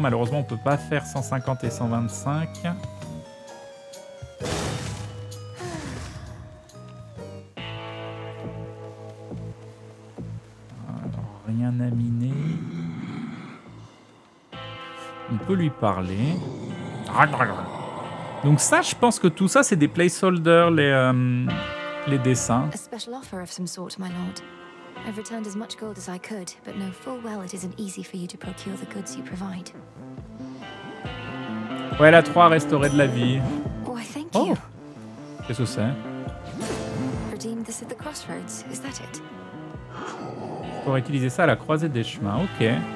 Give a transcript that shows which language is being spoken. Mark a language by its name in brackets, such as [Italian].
[French] Malheureusement, on peut pas faire 150 et 125. Alors, rien à miner. On peut lui parler. Donc ça, je pense que tout ça, c'est des placeholders, les dessins. [English] A special offer of some sort, my lord. I've returned as much gold as I could, but know full well it isn't easy for you to procure the goods you provide. [French] Ouais, la 3 restaurée de la vie. [English] Oh, thank you. Oh. [French] Qu'est-ce que c'est? [English] Redeem this at the crossroads, is that it? [French] Pour utiliser ça à la croisée des chemins, ok.